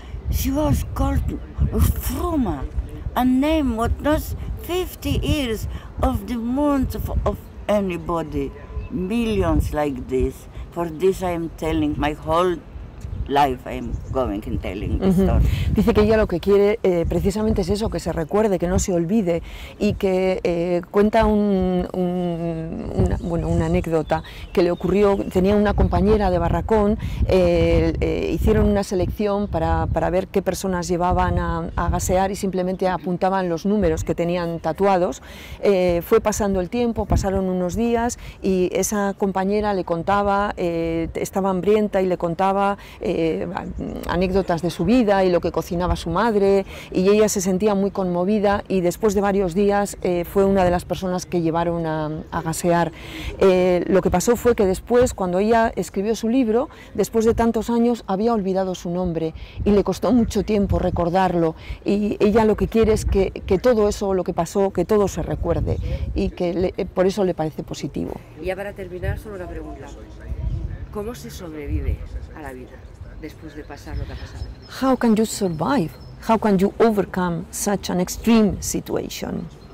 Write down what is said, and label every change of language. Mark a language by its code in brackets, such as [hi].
[en] She was called Fruma, a name what was 50 years of the month of anybody, millions like this. For this I am telling, my whole life I am going and telling this story. [es] Dice que ella lo que quiere precisamente es eso, que se recuerde, que no se olvide, y que cuenta una anécdota que le ocurrió. Tenía una compañera de barracón, hicieron una selección para ver qué personas llevaban a gasear, y simplemente apuntaban los números que tenían tatuados. Fue pasando el tiempo, pasaron unos días, y esa compañera le contaba, estaba hambrienta, y le contaba anécdotas de su vida y lo que cocinaba su madre, y ella se sentía muy conmovida, y después de varios días fue una de las personas que llevaron a gasear. Lo que pasó fue que después, cuando ella escribió su libro, después de tantos años había olvidado su nombre y le costó mucho tiempo recordarlo, y ella lo que quiere es que todo eso, lo que pasó, que todo se recuerde, y que por eso le parece positivo. Y ya para terminar, solo una pregunta. ¿Cómo se sobrevive a la vida después de pasar lo que ha pasado? [en] How can you survive? How can you overcome such an extreme situation?